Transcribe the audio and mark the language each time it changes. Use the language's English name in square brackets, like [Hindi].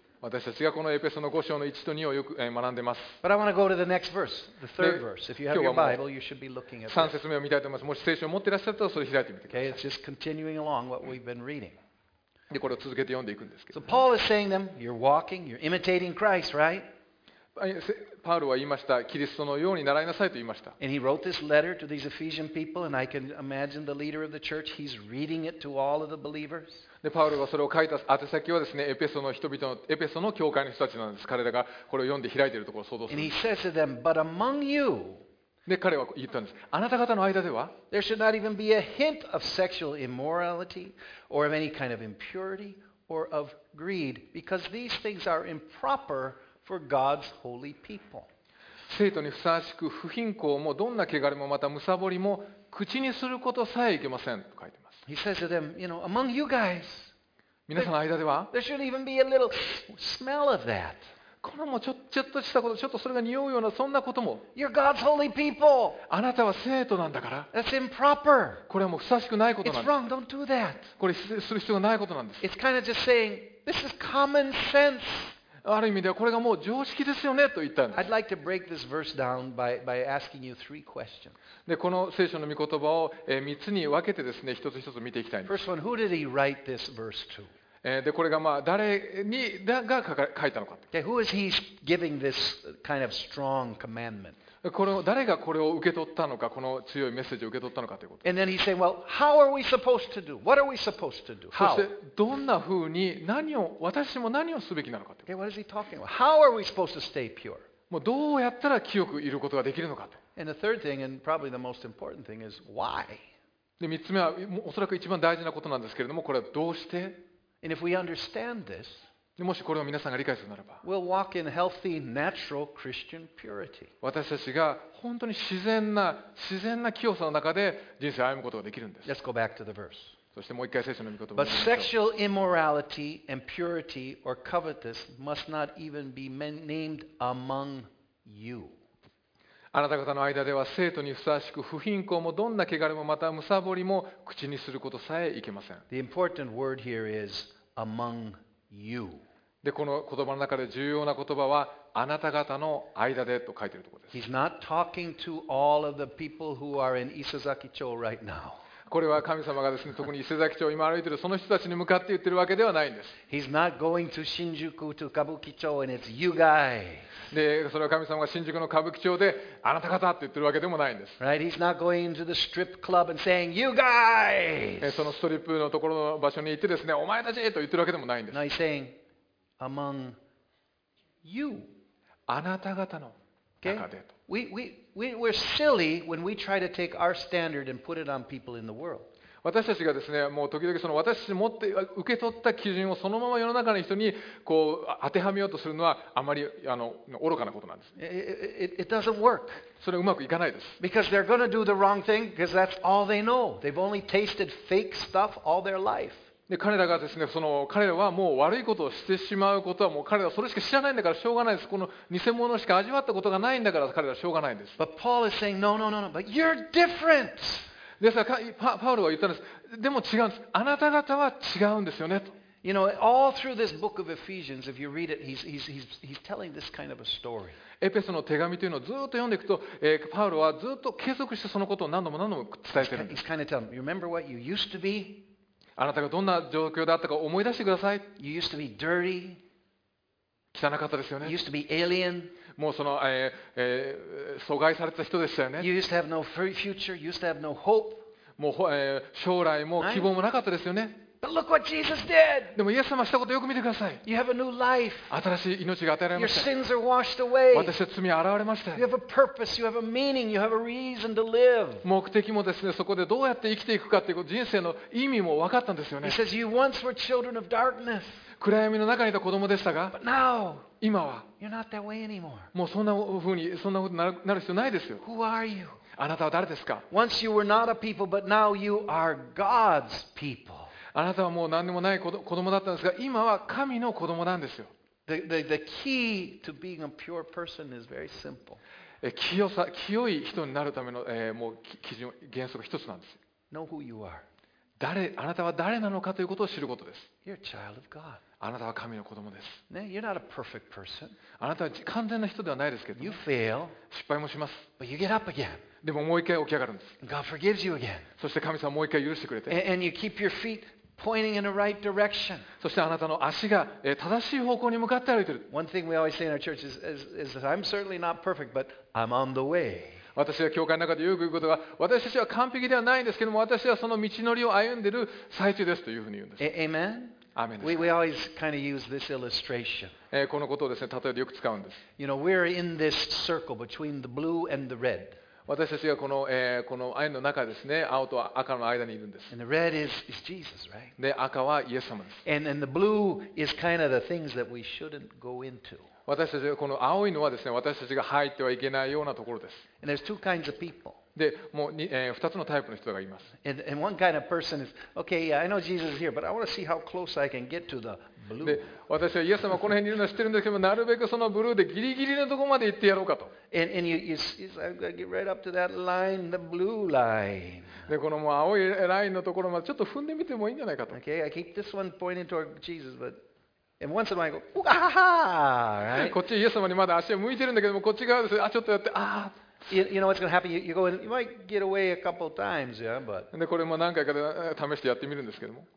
[Japanese] 私たちがこのエペソの5章の1と2をよく学んでます。 [English] But I want to go to the next verse, the third verse. If you have your Bible, you should be looking at [Japanese] this. 3節目を見たいと思います。もし聖書を持っていらっしゃったらそれを開いてみてください。 [English] Okay, it's just continuing along what we've been reading. [Japanese] で、これを続けて読んでいくんですけど。 [English] So Paul is saying them, you're walking, you're imitating Christ, right? [Japanese] パウロは言いました。キリストのように習いなさいと言いました。 [English] And he wrote this letter to these Ephesian people, and I can imagine the leader of the church, he's reading it to all of the believers. [Japanese] でパウロがそれを書いた宛先はですね、エペソの教会の人たちなんです。彼らがこれを読んで開いているところを想像するんです。 [English] And he says to them, but among you, [Japanese] で彼は言ったんです。あなた方の間では、 [English] there should not even be a hint of sexual immorality or of any kind of impurity or of greed, because these things are improper for God's holy people. [Japanese] 聖徒にふさわしく不貧困もどんな汚れもまたむさぼりも口にすることさえいけませんと書いてます。 [English] He says to them, you know, among you guys, [Japanese] 皆さんの間では [English] there should even be a little smell of that. [Japanese] このもちょっとしたこと、ちょっとそれが匂うようなそんなことも [English] You're God's holy people. [Japanese] あなたは聖徒なんだから [English] That's improper. [Japanese] これはもうふさわしくないことなんです [English] It's wrong. Don't do that. [Japanese] これする必要がないことなんです [English] It's kind of just saying, this is common sense. [Japanese] ある意味ではこれがもう常識ですよねと言ったんです。 [English] I'd like to break this verse down by asking you three questions. [Japanese] で、この聖書の御言葉を三つに分けてですね、一つ一つ見ていきたいんです。 [English] First one, who did he write this verse to? [Japanese] で、これがまあ誰にだが書いたのか。 [English] Okay, who is he giving this kind of strong commandment? [Japanese] これを誰がこれを受け取ったのか、この強いメッセージを受け取ったのかということ。 [English] And then he said, well, how are we supposed to do? What are we supposed to do? [Japanese] How? そしてどんな風に何を私も何をすべきなのかということ。 [English] Okay, what is he talking about? How are we supposed to stay pure? [Japanese] もうどうやったら清くいることができるのかと。 [English] And the third thing, and probably the most important thing, is why? [Japanese] で、3つ目はおそらく一番大事なことなんですけれども、これはどうして [English] ？And if we understand this, [Japanese] もしこれを皆さんが理解するならば、 [English] we'll walk in healthy, natural Christian purity. [Japanese] 私たちが本当に自然な清さの中で人生を歩むことができるんです。 [English] Let's go back to the verse. [Japanese] そしてもう一回聖書の御言葉を。 [English] But sexual immorality and purity or covetous must not even be named among you. [Japanese] あなた方の間では聖徒にふさわしく不貧困もどんな汚れもまたむさぼりも口にすることさえいけません。 [English] The important word here is among you. You. [Japanese] でこの言葉の中で重要な言葉はあなた方の間でと書いているところです。 [English] He's not talking to all of the people who are in Isazaki Cho right now. [Japanese] これは神様がですね、特に伊勢崎町を今歩いているその人たちに向かって言ってるわけではないんです。 [English] He's not going to 新宿 to 歌舞伎町 and it's you guys. [Japanese] で、それは神様が新宿の歌舞伎町であなた方って言ってるわけでもないんです。 [English] Right? He's not going to the strip club and saying you guys. [Japanese] そのストリップのところの場所に行ってですね、お前たちと言ってるわけでもないんです。 [English] No, he's saying among you. [Japanese] あなた方の中でと。 [English] We're silly when we try to take our standard and put it on people in the world. [Japanese] 私たちがですね、もう時々その私持って受け取った基準をそのまま世の中の人にこう当てはめようとするのはあまり愚かなことなんです。 [English] It doesn't work. [Japanese] それはうまくいかないです。 [English] Because they're going to do the wrong thing because that's all they know. They've only tasted fake stuff all their life. [Japanese] で彼らがですね、その彼らはもう悪いことをしてしまうことはもう彼らはそれしか知らないんだからしょうがないです。この偽物しか味わったことがないんだから彼らはしょうがないんです。 [English] But Paul is saying, no, no, no, no. But you're different. [Japanese] ですから パウロは言ったんです。でも違うんです。あなた方は違うんですよねと。 [English] You know, all through this book of Ephesians, if you read it, he's telling this kind of a story. [Japanese] エペソの手紙というのをずっと読んでいくと、パウロはずっと継続してそのことを何度も伝えてるんです。 [English] He's kind of telling, remember what you used to be? [Japanese] あなたがどんな状況だったか思い出してください。 [English] You used to be dirty. [Japanese] 汚かったですよね。 [English] You used to be alien. [Japanese] もうその、阻害されてた人でしたよね。 [English] You used to have no future. You used to have no hope. [Japanese] もう、将来も希望もなかったですよね。 [English] But look what Jesus did. [Japanese] でもイエス様したことよく見てください。 [English] You have a new life. [Japanese] 新しい命が与えられました。 [English] Your sins are washed away. [Japanese] 私は罪洗われました。 [English] You have a purpose. You have a meaning. You have a reason to live. [Japanese] 目的もですね、そこでどうやって生きていくかっていう人生の意味も分かったんですよね。 [English] He says you once were children of darkness. [Japanese] 暗闇の中にいた子供でしたが、 [English] But now, [Japanese] 今は、 [English] you're not that way anymore. [Japanese] もうそんなふうになる必要ないですよ。 [English] Who are you? [Japanese] あなたは誰ですか [English] ？Once you were not a people, but now you are God's people. [Japanese] あなたはもう何でもない子供だったんですが、今は神の子供なんですよ。 [English] The key to being a pure person is very simple. [Japanese] 清い人になるための、もう基準原則一つなんです。 [English] Know who you are. [Japanese] あなたは誰なのかということを知ることです。 [English] You're a child of God. [Japanese] あなたは神の子供です。 [English] Ne, you're not a perfect person. [Japanese] あなたは完全な人ではないですけど。 [English] You fail. [Japanese] 失敗もします。 [English] But you get up again. [Japanese] でももう一回起き上がるんです。 [English] God forgives you again. [Japanese] そして神様もう一回許してくれて。 [English] And you keep your feet pointing in the right direction. [Japanese] そしてあなたの足が正しい方向に向かって歩いてる。 [English] One thing we always say in our church is that I'm certainly not perfect, but I'm on the way. [Japanese] 私は教会の中でよく言うことが、私たちは完璧ではないんですけども、私はその道のりを歩んでる最中ですというふうに言うんです。 [English] Amen? Amen. We always kind of use this illustration. [Japanese] このことをですね、例えでよく使うんです。 [English] You know, we're in this circle between the blue and the red. [Japanese] 私たちがこの円の中ですね、青と赤の間にいるんです。 [English] And the red is Jesus, right? [Japanese] で、赤はイエス様です。 [English] And the blue is kind of the things that we shouldn't go into. [Japanese] 私たちがこの青いのはですね、私たちが入ってはいけないようなところです。 [English] And there's two kinds of people. [Japanese] で、もう 2つのタイプの人がいます。 [English] And one kind of person is, okay, yeah, I know Jesus is here, but I want to see how close I can get to the blue. [Japanese] で、私はイエス様この辺にいるのは知ってるんですけど、なるべくそのブルーでギリギリのとこまで行ってやろうかと。 [English] And you say, I've got to get right up to that line, the blue line. [Japanese] で、このもう青いラインのところまでちょっと踏んでみてもいいんじゃないかと。 [English] Okay, I keep this one pointing toward Jesus, but... And once in a while, I go, ooh, aha! Right? [Japanese] こっちイエス様にまだ足を向いてるんだけども、こっち側です。あ、ちょっとやって、あ。 [English] You know what's going to happen? You go and you might get away a couple times, yeah, but. [Japanese] でこれも何回かで試してやってみるんですけども。